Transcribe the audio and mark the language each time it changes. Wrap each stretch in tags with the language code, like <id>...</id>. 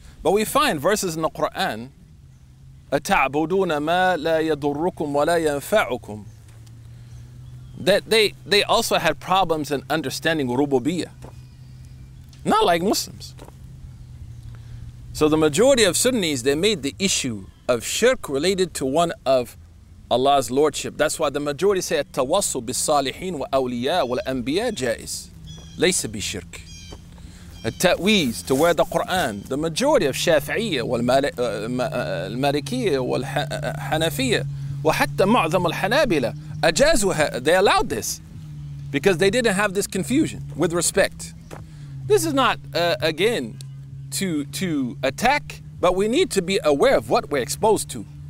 <en>But we find verses in the Quran,</en> <ar>أَتَعْبُدُونَ مَا لَا يَضُرُّكُمْ وَلَا يَنْفَعُكُمْ.</ar> <en>That they also had problems in understanding rububiyyah. Not like Muslims. So the majority of Sunnis, they made the issue of shirk related to one of Allah's lordship. That's why the majority say</en> <ar>التواصل بالصالحين والأولياء والأنبياء جائز ليس بشرك. التأويز</ar> <en>to wear the Quran.</en> <ar>The majority of شافعية والمالكية والحنفية وحتى معظم الحنابلة أجازوا,</ar> <en>they allowed this because they didn't have this confusion with respect. This is not again to attack, but we need to be aware of what we're exposed to.</en>